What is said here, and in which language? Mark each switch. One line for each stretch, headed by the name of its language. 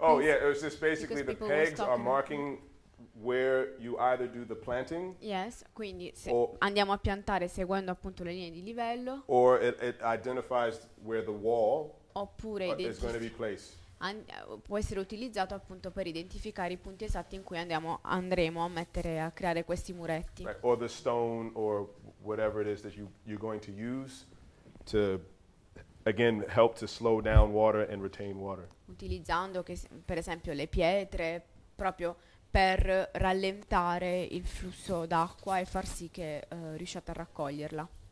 English: Oh yeah, it was just basically the pegs are marking where you either do the planting.
Italian: Yes, quindi se andiamo a piantare seguendo appunto le linee di livello.
English: Or it identifies where the wall is going to be placed.
Italian: Può essere utilizzato appunto per identificare i punti esatti in cui andremo a mettere a creare questi muretti.
English: Right, or the stone or whatever it is that you're going to use to again help to slow down water and retain water.
Italian: Utilizzando per esempio le pietre proprio per rallentare il flusso d'acqua e far sì che riusciate a raccoglierla.